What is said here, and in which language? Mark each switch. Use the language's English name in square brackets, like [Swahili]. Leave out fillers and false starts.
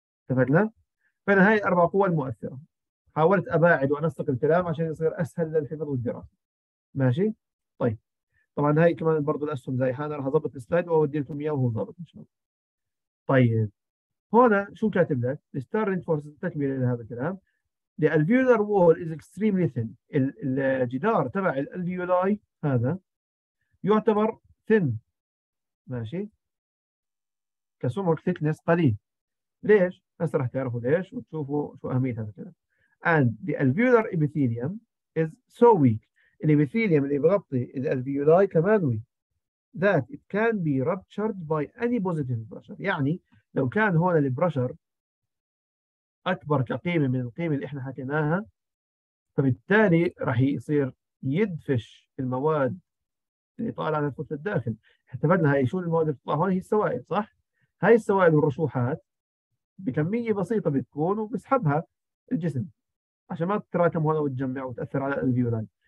[Arabic] اتفقنا؟ فانا هاي الاربع قوى المؤثره حاولت اباعد وانسق الكلام عشان يصير اسهل للحفظ والدراسه. ماشي؟ طيب طبعا هاي كمان برضه الاسهم زي حالها، راح اضبط السلايد واودي لكم اياه وهو ضابط ان شاء الله. طيب هون شو كاتب لك؟ الستار رينفورس تكمل لهذا الكلام. [English] The alveolar wall is extremely thin. [Arabic] الجدار تبع الالفيولاي هذا يعتبر thin. ماشي؟ كسمك thickness قليل. ليش؟ هسه راح تعرفوا ليش وتشوفوا شو أهمية هذا الكلام. [English] And the alveolar epithelium is so weak. [Arabic] الإبيثيليوم اللي بغطي الالفيولاي كمان weak. [English] That it can be ruptured by any positive pressure. [Arabic] يعني لو كان هون البرشر أكبر كقيمة من القيمة اللي إحنا حكيناها، فبالتالي راح يصير يدفش المواد اللي طالعة من الكتلة الداخل. احتفظنا هاي شو المواد اللي تطلع هون؟ هي السوائل، صح؟ هاي السوائل والرشوحات بكمية بسيطة بتكون وبسحبها الجسم عشان ما تتراكم هون وتجمع وتأثر على الألفيولاي.